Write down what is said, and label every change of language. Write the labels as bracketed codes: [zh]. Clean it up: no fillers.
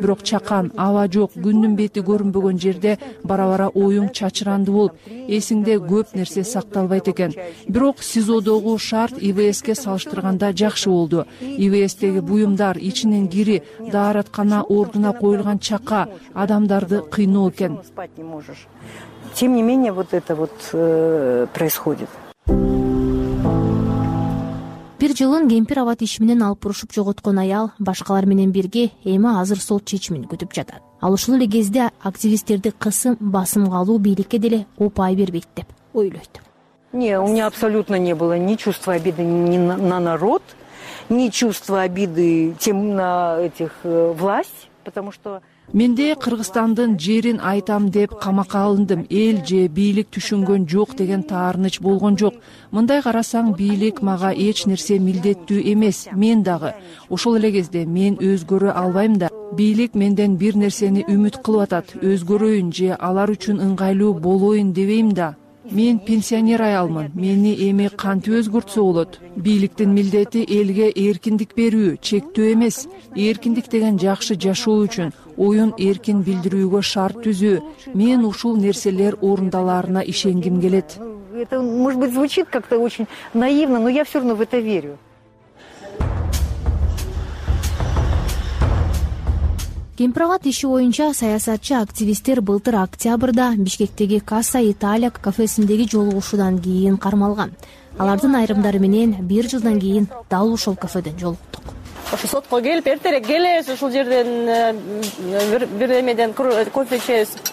[ky] Бирок чакан, аба жок, күндүн бети көрүнбөгөн жерде бара-бара оюң чачыранды болуп, эсиңде көп нерсе сакталбайт экен. Бирок СИЗОдогу шарт ИВСке салыштырганда жакшы болду. ИВСтеги буюмдар, ичинен кири, дааратканага ордуна коюлган чака адамдарды кыйноо экен. [ru] Тем не менее, вот это вот происходит. [ky] Бир жылын кемпир абат иши менен алпурушуп жоготкон аял башкалар менен бирге эми азыр сот чечимин күтүп жатат. Ал ушул эле кезде активисттерди кысым басымга алуу бийликке деле упай бербейт деп ойлойт. [ru] Не, у меня абсолютно не было ни чувства обиды ни на народ, ни чувства обиды тем на этих власть, потому что [ky] менде Кыргызстандын жерин айтам деп камакка алындым. Эл же бийлик түшүнгөн жок деген таарыныч болгон жок. Мындай карасаң, бийлик мага эч нерсе милдеттүү эмес. Мен дагы ошол эле кезде мен өзгөрө албайм да. Бийлик менден бир нерсени үмүт кылып атат. Өзгөрөйүн же алар үчүн ыңгайлуу болоюн дебейм да. Мен пенсионер аялмын. Мени эми кантип өзгөртсө болот? Бийликтин милдети элге эркиндик берүү, чектөө эмес. Эркиндик деген жакшы жашоо үчүн оюн эркин билдирүүгө шарт түзүү. Мен ушул нерселер орундаларына ишенгим келет. [ru] Это, может быть, звучит как-то очень наивно, но я всё равно в это верю. [ky] Кемпироват иши боюнча саясатчы активисттер былтыр октябрда Бишкектеги Каса Италия кафесиндеги жолугушуудан кийин кармалган. Алардын айрымдары менен бир жылдан кийин дал ушул кафеден жолуктук. Ошо сотко келип эртерээк келесиз, ушул жерден бир эмеден кофе ичесиз.